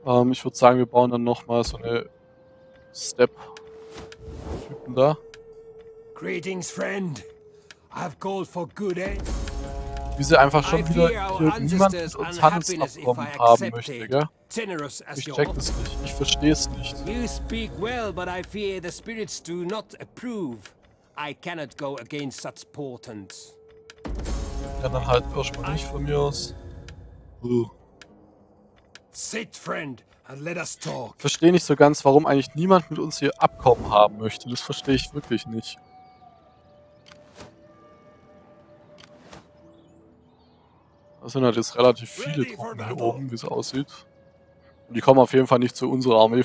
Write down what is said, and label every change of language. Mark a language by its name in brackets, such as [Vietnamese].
[German] Ich würde sagen, wir bauen dann nochmal so eine Step-Typen da. [English] Greetings, friend. I've called for good aid. [German] Wie sie einfach schon wieder hier niemand mit uns Handelsabkommen haben möchte, gell? Ich check das nicht, ich versteh's nicht. [English] You speak well, but I fear the spirits do not approve. I cannot go against such portents. [German] Ja, dann halt erstmal nicht von mir aus. [English] Sit, friend, and let us talk. [German] Ich versteh nicht so ganz, warum eigentlich niemand mit uns hier Abkommen haben möchte. Das verstehe ich wirklich nicht. Das sind halt jetzt relativ viele Truppen hier oben, wie es aussieht. Und die kommen auf jeden Fall nicht zu unserer Armee.